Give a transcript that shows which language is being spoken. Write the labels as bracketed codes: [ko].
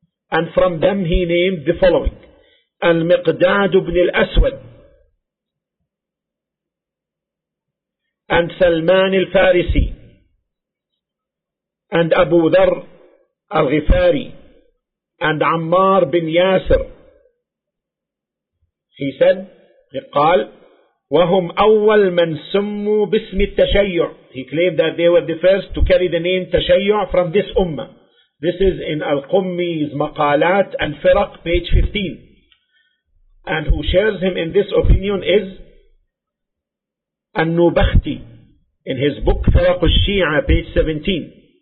[en] And from them he named the following: Al-Miqdad ibn al-Aswad and Salman al-Farisi and Abu Dharr al-Ghifari and Ammar bin Yasir. He said, [ar] قال, وهم أول من سموا باسم التشيع. [en] He claimed that they were the first to carry the name تشيع from this ummah. This is in Al-Qummi's Maqalat Al-Firaq, page 15. And who shares him in this opinion is An-Nubakhti, in his book Firaq al-Shi'a, page 17.